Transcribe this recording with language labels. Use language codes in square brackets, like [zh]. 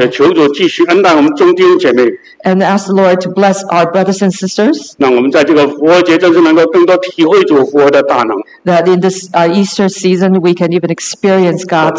[zh] 也求主继续恩待我们众弟兄姐妹。 [en] And ask the Lord to bless our brothers and sisters. [zh] 让我们在这个复活节，真是能够更多体会主复活的大能。 [en] That in this Easter season, we can even experience God's